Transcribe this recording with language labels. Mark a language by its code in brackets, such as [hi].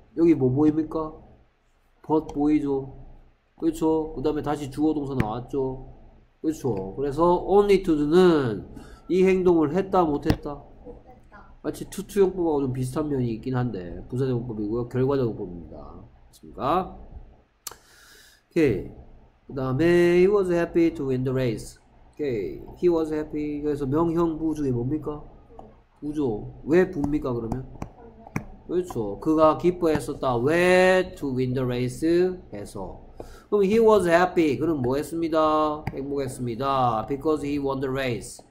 [ko] 여기 뭐 보입니까? but 보이죠? 그렇죠? 그 다음에 다시 주어 동사 나왔죠? 그렇죠? 그래서 only to do는 이 행동을 했다, 못했다? 마치 투투용법하고 좀 비슷한 면이 있긴 한데 부사적용법이고요, 결과적용법입니다. 맞습니까? 오케이. 그 다음에 [en] he was happy to win the race. 오케이. he was happy. [ko] 그래서 명형부 중에 뭡니까? 부죠. 왜 부입니까, 그러면? 그렇죠. 그가 기뻐했었다. [en] Where to win the race? [ko] 해서. 그럼 [en] he was happy. [ko] 그럼 뭐 했습니다? 행복했습니다. [en] Because he won the race.